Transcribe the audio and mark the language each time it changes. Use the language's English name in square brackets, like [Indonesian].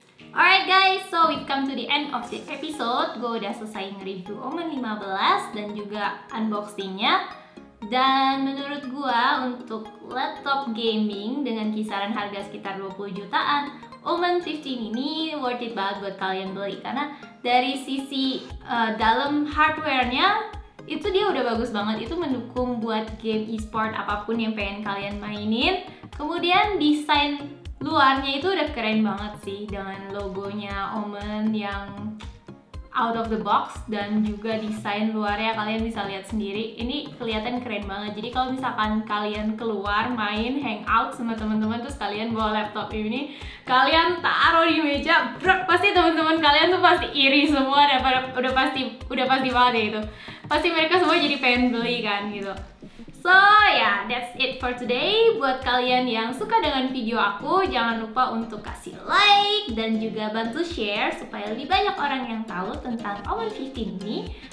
[English] Alright guys, so we've come to the end of the episode. [Indonesian] Gue udah selesai nge-review Omen 15 dan juga unboxingnya. Dan menurut gue untuk laptop gaming dengan kisaran harga sekitar 20 jutaan, Omen 15 ini worth it banget buat kalian beli. Karena dari sisi dalam hardware-nya, itu dia udah bagus banget. Itu mendukung buat game e-sport apapun yang pengen kalian mainin. Kemudian desain luarnya itu udah keren banget sih, dengan logonya Omen yang out of the box dan juga desain luarnya kalian bisa lihat sendiri. Ini kelihatan keren banget. Jadi kalau misalkan kalian keluar main hangout sama teman-teman terus kalian bawa laptop ini, kalian taruh di meja, brak, pasti teman-teman kalian tuh pasti iri semua, udah pasti banget ya itu. Pasti mereka semua jadi pengen beli kan gitu. [English] So yeah, that's it for today. [Indonesian] Buat kalian yang suka dengan video aku, jangan lupa untuk kasih like dan juga bantu share supaya lebih banyak orang yang tahu tentang Omen 15 ini.